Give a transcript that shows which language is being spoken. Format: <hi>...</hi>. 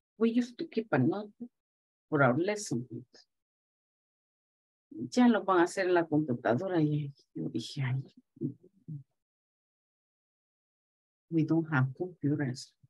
<en>We used to keep a notebook for our lesson plans.</en> <es>Ya lo van a hacer en la computadora. Y yo dije, ay,</es> <en>we don't have computers.</en>